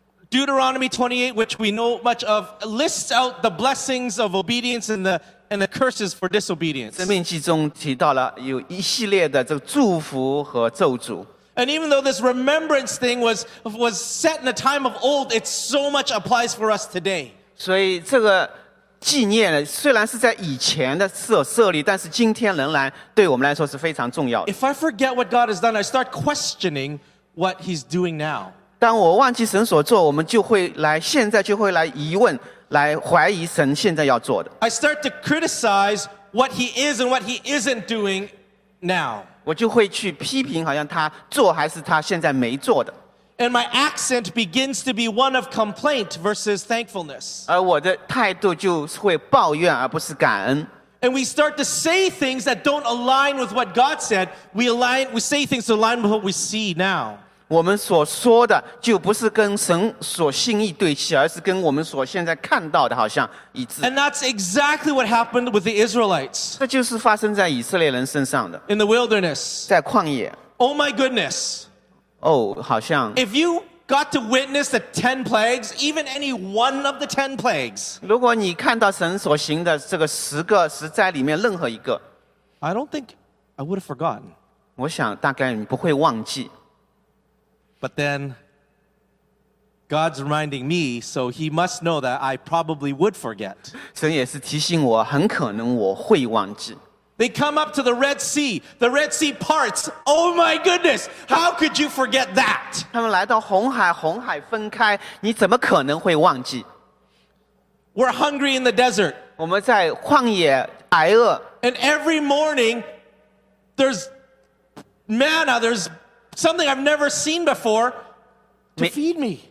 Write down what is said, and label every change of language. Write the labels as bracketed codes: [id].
[en] Deuteronomy 28, which we know much of, lists out the blessings of obedience and the curses for disobedience. [zh] 生命记中提到了有一系列的这个祝福和咒诅。 [en] And even though this remembrance thing was set in a time of old, it so much applies for us today. [zh] 所以这个纪念虽然是在以前的设立，但是今天仍然对我们来说是非常重要的。 [en] If I forget what God has done, I start questioning what he's doing now. [zh] 当我忘记神所做，我们现在就会来疑问。来怀疑神现在要做的。 [en] I start to criticize what he is and what he isn't doing now. [zh] 我就会去批评好像他做还是他现在没做的。 [en] And my accent begins to be one of complaint versus thankfulness. [zh] 而我的态度就会抱怨而不是感恩。 [en] And we start to say things that don't align with what God said. We say things to align with what we see now. [zh] 我们所说的就不是跟神所心意对齐，而是跟我们所现在看到的好像一致。 [en] And that's exactly what happened with the Israelites. [zh] 这就是发生在以色列人身上的。 [en] In the wilderness. [zh] 在旷野。 [en] Oh my goodness. [zh] 好像。 [en] If you got to witness the 10 plagues, even any one of the 10 plagues. [zh] 如果你看到神所行的这个十个十灾里面任何一个。 [en] I don't think I would have forgotten. [zh] 我想大概你不会忘记。 [en] But then, God's reminding me, so he must know that I probably would forget. [zh] 神也是提醒我，很可能我会忘记。 [en] They come up to the Red Sea. The Red Sea parts. Oh my goodness, how could you forget that? [zh] 他们来到红海分开，你怎么可能会忘记？ [en] We're hungry in the desert. [zh] 我们在旷野挨饿。 [en] And every morning, there's manna, there's something I've never seen before to feed me.